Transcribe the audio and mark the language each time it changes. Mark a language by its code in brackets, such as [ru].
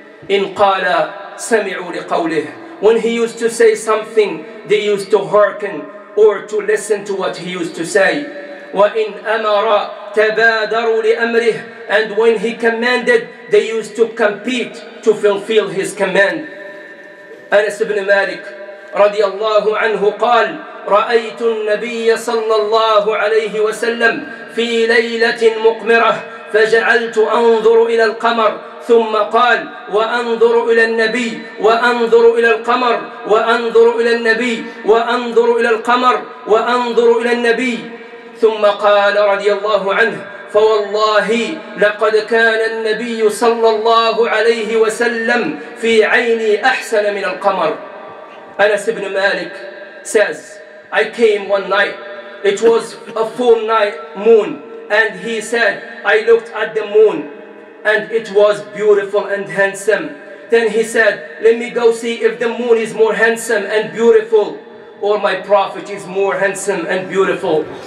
[ar] إِنْ قَالَ سَمِعُوا لِقَوْلِهِ, [en] when he used to say something, they used to hearken or to listen to what he used to say. [ar] وَإِنْ أَمَرَ تَبَادَرُوا لِأَمْرِهِ, [en] and when he commanded, they used to compete to fulfill his command. [ar] Anas ibn Malik رضي الله عنه قال, رأيت النبي صلى الله عليه وسلم في ليلة مقمرة, فجعلت أنظر إلى القمر, ثم قال, وأنظر إلى النبي, وأنظر إلى القمر, وأنظر إلى النبي, وأنظر إلى القمر, وأنظر إلى النبي, ثم قال رضي الله عنه, فوالله لقد كان النبي صلى الله عليه وسلم في عيني أحسن من القمر. [en] Anas ibn Malik says, I came one night, it was a full night moon, and he said, I looked at the moon and it was beautiful and handsome. Then he said, let me go see if the moon is more handsome and beautiful, or my Prophet is more handsome and beautiful.